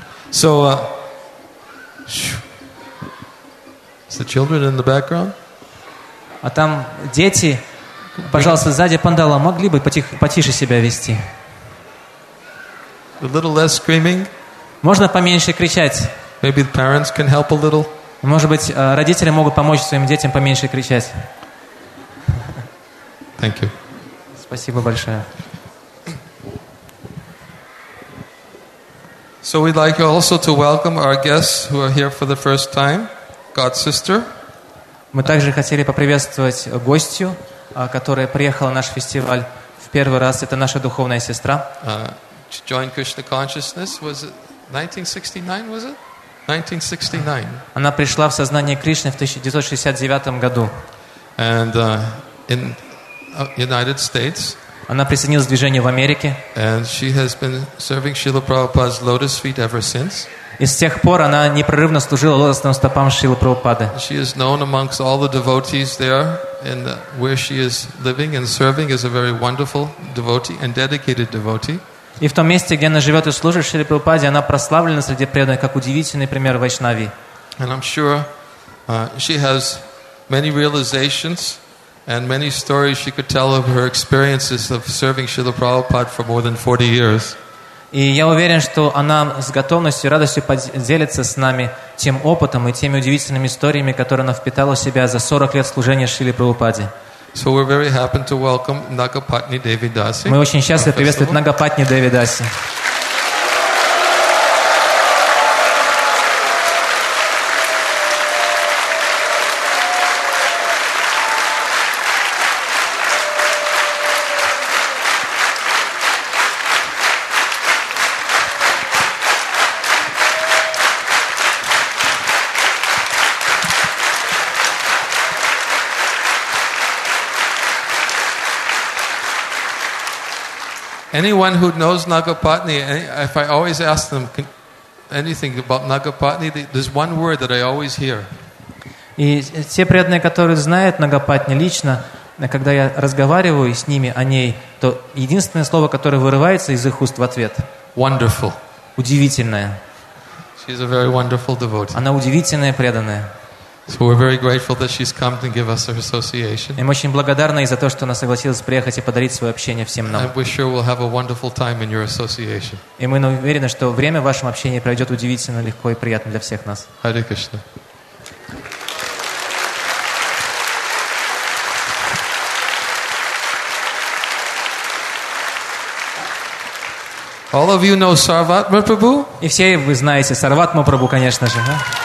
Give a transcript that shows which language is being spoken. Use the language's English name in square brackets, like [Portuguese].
[English] So, is the children in the background? [Russian] А там дети, пожалуйста, сзади пандала, могли бы потише себя вести? [English] A little less screaming. [Russian] Можно поменьше кричать. [English] Maybe the parents can help a little. [Russian] Может быть, родители могут помочь своим детям поменьше кричать. [English] Thank you. [Russian] Спасибо большое. [English] So we'd like also to welcome our guests who are here for the first time, God Sister. [Russian] Мы также хотели поприветствовать гостью, которая приехала на наш фестиваль в первый раз. Это наша духовная сестра. [English] To join Krishna consciousness was it 1969, was it? 1969. [Russian] Она пришла в сознание Кришны в 1969 году. [English] And in United States. [Russian] Она присоединилась к движению в Америке. [English] And she has been serving Srila Prabhupada's lotus feet ever since. [Russian] И с тех пор она непрерывно служила лотосным стопам Шрилы Прабхупады. [English] She is known amongst all the devotees there, and where she is living and serving is a very wonderful devotee and dedicated devotee. [Russian] И в том месте, где она живет и служит в Шри Прабхупаде, она прославлена среди преданных как удивительный пример вайшнави. [English] And I'm sure she has many realizations and many stories she could tell of her experiences of serving Srila Prabhupada for more than 40 years. [Russian] И я уверен, что она с готовностью и радостью поделится с нами тем опытом и теми удивительными историями, которые она впитала в себя за 40 лет служения Шри Прабхупаде. [English] So we're very happy to welcome Nagapatni Devidasi. [Russian] Мы очень счастливы приветствовать Нагапатни Девидаси. [English] Anyone who knows Nagapatni, if I always ask them anything about Nagapatni, there's one word that I always hear. [Russian] И те преданные, которые знают Нагапатни лично, когда я разговариваю с ними о ней, то единственное слово, которое вырывается из их уст в ответ. [English] Wonderful. [Russian] Удивительная. [English] She's a very wonderful devotee. [Russian] Она удивительная преданная. [English] So we're very grateful that she's come to give us her association. [Russian] И мы очень благодарны за то, что она согласилась приехать и подарить свое общение всем нам. [English] And we're sure we'll have a wonderful time in your association. [Russian] И мы уверены, что время в вашем общении пройдет удивительно легко и приятно для всех нас. [English] Hare Krishna. All of you know Sarvatma Prabhu? [Russian] И все вы знаете Сарватма Прабху, конечно же, да?